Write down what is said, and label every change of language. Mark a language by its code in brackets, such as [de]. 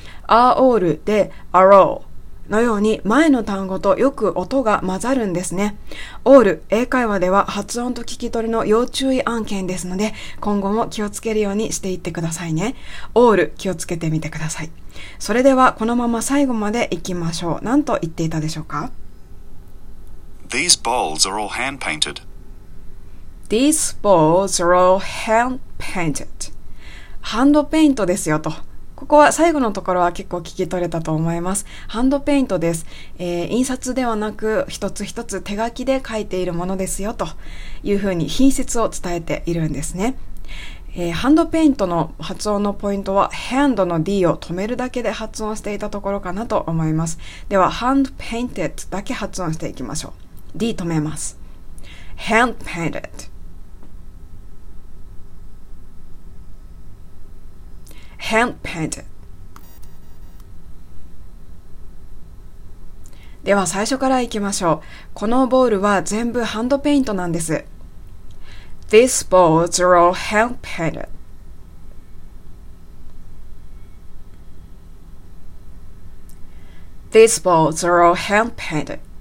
[ja] are all で are all のように前の単語とよく音が混ざるんですね。 all 英会話では発音と聞き取りの要注意案件ですので、今後も気をつけるようにしていってくださいね。 all 気をつけてみてください。それではこのまま最後までいきましょう。何と言っていたでしょうか。 [en] These balls are all hand painted These balls are all hand painted. [ja] ハンドペイントですよと。ここは最後のところは結構聞き取れたと思います。ハンドペイントです。印刷ではなく一つ一つ手書きで書いているものですよというふうに品質を伝えているんですね。ハンドペイントの発音のポイントは、ハンドの D を止めるだけで発音していたところかなと思います。では、ハンドペイントだけ発音していきましょう。 D 止めます。 [en] Hand painted. Hand painted. [ja] では最初からいきましょう。このボールは全部ハンドペイントなんです。 [en] These balls are all hand painted. These balls are all hand painted.